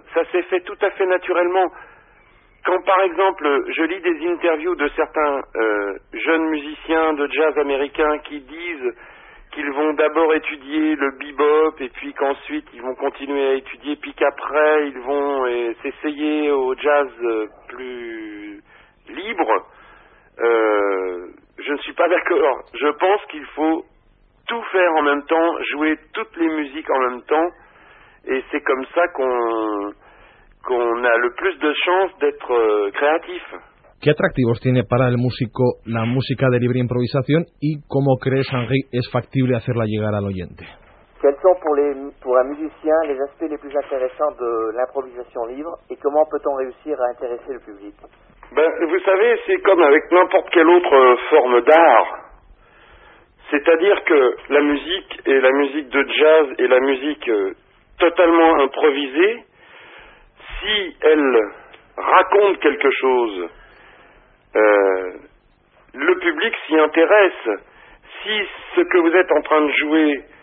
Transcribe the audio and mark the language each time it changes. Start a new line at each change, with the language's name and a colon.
French: Ça s'est fait tout à fait naturellement. Quand, par exemple, je lis des interviews de certains jeunes musiciens de jazz américains qui disent qu'ils vont d'abord étudier le bebop et puis qu'ensuite ils vont continuer à étudier, puis qu'après ils vont s'essayer au jazz plus libre, je ne suis pas d'accord. Je pense qu'il faut... tout faire en même temps, jouer toutes les musiques en même temps, et c'est comme ça qu'on a le plus de chances d'être créatif.
Spanish: ¿Qué atractivos tiene para el músico la música de libre improvisación y cómo crees, Henry, es factible hacerla llegar al oyente?
French: Quels sont pour un musicien les aspects les plus intéressants de l'improvisation libre et comment peut-on réussir à intéresser le public? Ben, vous savez, c'est comme avec n'importe quelle autre forme d'art. C'est-à-dire que la musique et la musique de jazz et la musique totalement improvisée, si elle raconte quelque chose, le public s'y intéresse. Si ce que vous êtes en train de jouer